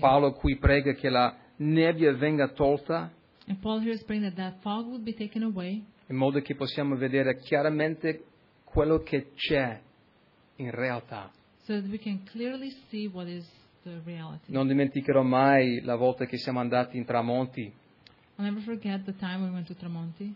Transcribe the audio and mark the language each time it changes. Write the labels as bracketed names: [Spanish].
[Italian] Paolo qui prega che la nebbia venga tolta. [English] And Paul here is praying that fog would be taken away. [Italian] In modo che possiamo vedere chiaramente quello che c'è in realtà. [English] So that we can clearly see what is the reality. [Italian] Non dimenticherò mai la volta che siamo andati in Tramonti. [English] I'll never forget the time we went to Tramonti.